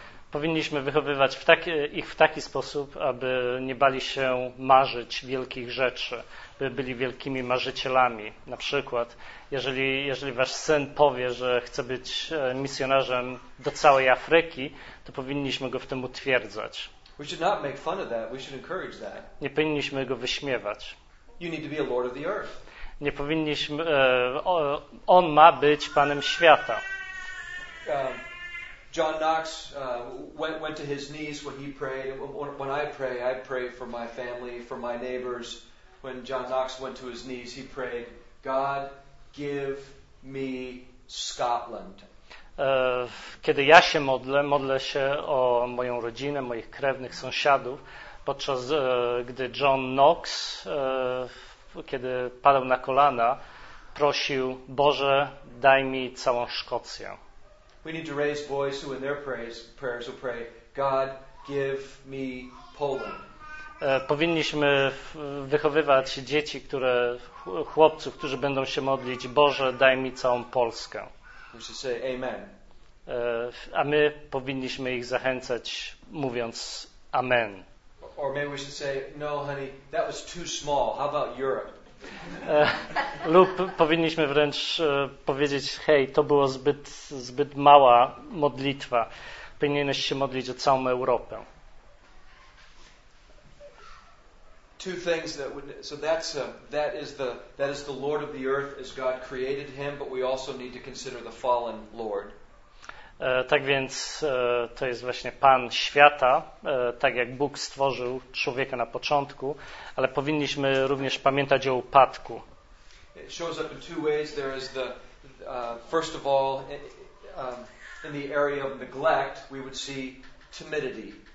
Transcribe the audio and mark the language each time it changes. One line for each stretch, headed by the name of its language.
Polish: Powinniśmy wychowywać ich w taki sposób, aby nie bali się marzyć wielkich rzeczy, by byli wielkimi marzycielami. Na przykład, jeżeli wasz syn powie, że chce być misjonarzem do całej Afryki, to powinniśmy go w tym utwierdzać.
English: We should not make fun of that. We should encourage that.
Polish: Nie powinniśmy go wyśmiewać.
English: You need to be a lord of the earth.
Polish: Nie powinniśmy, on ma być panem świata.
English: John Knox went to his knees when he prayed. When I pray for my family, for my neighbors. When John Knox went to his knees, he prayed, God, give me Scotland.
Polish: Kiedy ja się modlę się o moją rodzinę, moich krewnych, sąsiadów, podczas gdy John Knox, kiedy padał na kolana, prosił, Boże, daj mi całą Szkocję.
English: We need to raise boys who in their prayers will pray, God, give me Poland.
Polish: Powinniśmy wychowywać dzieci, chłopców, którzy będą się modlić, Boże, daj mi całą Polskę.
English: We should say amen.
Polish: A my powinniśmy ich zachęcać, mówiąc amen.
English: Or maybe we should say, no, honey, that was too small. How about Europe?
Polish: Lub powinniśmy wręcz powiedzieć, hej, to było zbyt mała modlitwa. Powinieneś się modlić o całą Europę.
English: two things that would, so that's that is the Lord of the earth as God created him, but we also need to consider the fallen Lord.
Polish: Tak więc to jest właśnie Pan świata, tak jak Bóg stworzył człowieka na początku, ale powinniśmy również pamiętać o upadku.
English: It shows up in two ways. There is the first of all in the area of neglect we would see timidity.